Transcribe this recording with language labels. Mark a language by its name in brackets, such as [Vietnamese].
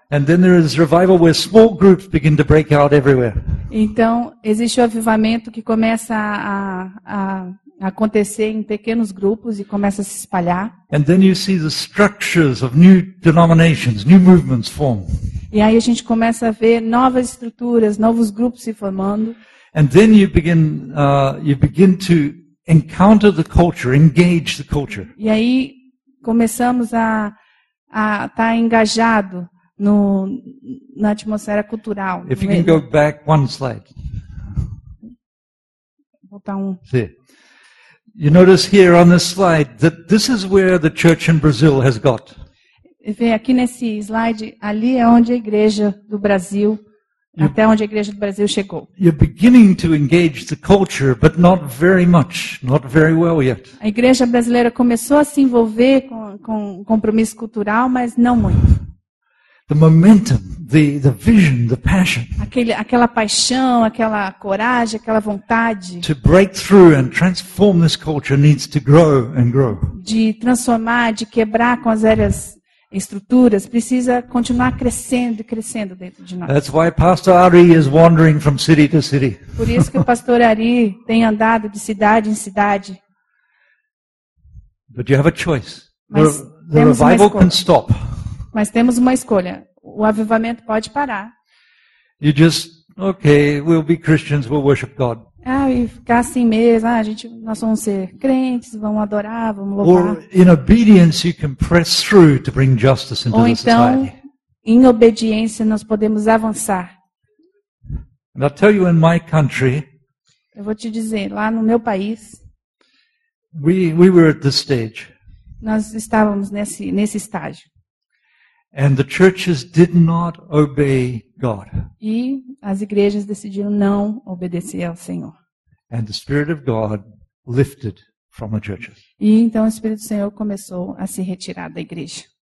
[English] And then there is revival where small groups begin to break out everywhere. [Portuguese] Então, existe o avivamento que começa a acontecer em pequenos grupos e começa a se espalhar. [English] And then you see the structures of new denominations, new movements form. [Portuguese] E aí a gente começa a ver novas estruturas, novos grupos se formando. [English] And then you begin to encounter the culture, engage the culture. [Portuguese] E aí começamos a estar engajado no, na atmosfera cultural. [English] If you can go back one slide. [Portuguese] Voltar um. Sim. [English] You notice here on this slide that this is where the church in Brazil has got. [Portuguese] Vê aqui nesse slide, ali é onde a igreja do Brasil, até onde a igreja do Brasil chegou. [English] You're beginning to engage the culture, but not very much, not very well yet. [Portuguese] A igreja brasileira começou a se envolver com compromisso cultural, mas não muito. [English] The momentum, the vision, the passion. [Portuguese] Aquela paixão, aquela coragem, aquela vontade. [English] To break through and transform this culture needs to grow and grow. [Portuguese] De transformar, de quebrar com as velhas estruturas, precisa continuar crescendo e crescendo dentro de nós. [English] That's why Pastor Ari is wandering from city to city. [Portuguese] Por isso que o Pastor Ari tem andado de cidade em cidade. [English] But you have a choice. The revival can stop. [Portuguese] Mas temos uma escolha. O avivamento pode parar. [English] You just, okay, we'll be Christians, we'll worship God. [Portuguese] Ah, e ficar assim mesmo. Ah, a gente, nós vamos ser crentes, vamos adorar, vamos louvar. [English] Or in obedience you can press through to bring justice into the society. [Portuguese] Ou então, em obediência nós podemos avançar. [English] And I'll tell you in my country. [Portuguese] Eu vou te dizer, lá no meu país. [English] We were at this stage. [Portuguese] Nós estávamos nesse estágio. [English] And the churches did not obey God. [Portuguese] E as igrejas decidiram não obedecer ao Senhor. [English] And the Spirit of God lifted from the churches. [Portuguese] E então o Espírito do Senhor começou a se retirar da igreja.